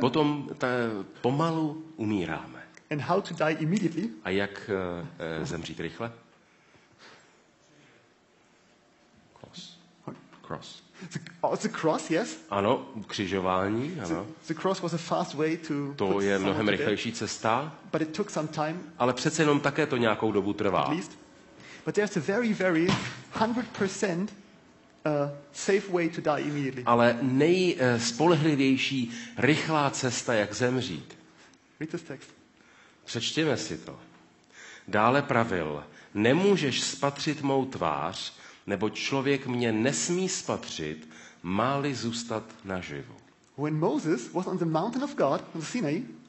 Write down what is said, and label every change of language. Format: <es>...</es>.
<cs>Potom pomalu umíráme.</cs> <en>And how to die immediately?</en> <cs>A jak zemřít rychle?</cs> <en>Cross. The cross, yes.</en> <cs>Ano, křižování, ano.</cs> <en>The cross was a fast way to.</en> <cs>To je mnohem rychlejší cesta.</cs> <en>But it took some time.</en> <cs>Ale přece jenom také to nějakou dobu trvá.</cs> <en>At least. But there's a very, very 100% safe way to die immediately.</en> <cs>Ale nejspolehlivější rychlá cesta, jak zemřít.</cs> <en>Read this text.</en> <cs>Přečtěme si to. Dále pravil, nemůžeš spatřit mou tvář, nebo člověk mě nesmí spatřit, má-li zůstat naživu.</cs> <en>When Moses was on the mountain of God, on the Sinai,</en>